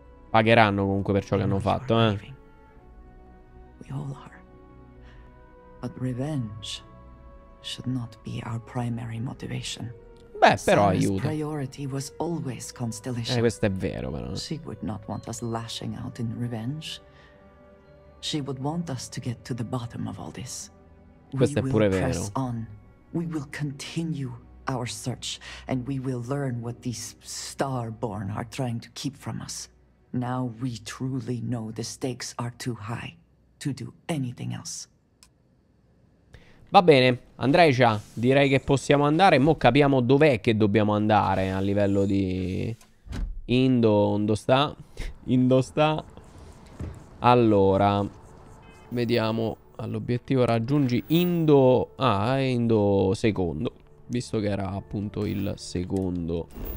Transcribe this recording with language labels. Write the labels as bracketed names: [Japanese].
[Italian] Pagheranno comunque per ciò che hanno fatto, eh? [English] We all are. But revenge should not be our primary motivation. [Italian] Beh, però aiuta. [English] Priority was always Constellation. [Italian] Questo è vero, però. [English] She would not want us lashing out in revenge. She would want us to get to the bottom of all this. [Italian] Questo è pure vero. [English] We will press on. We will continue our search and we will learn what these starborn are trying to keep from us. Now we truly know the stakes are too high to do anything else. [Italian] Va bene, Andrejcia, direi che possiamo andare. Mo capiamo dov'è che dobbiamo andare a livello di Indo sta. Allora, vediamo all'obiettivo raggiungi Indo. È Indo secondo, visto che era appunto il secondo.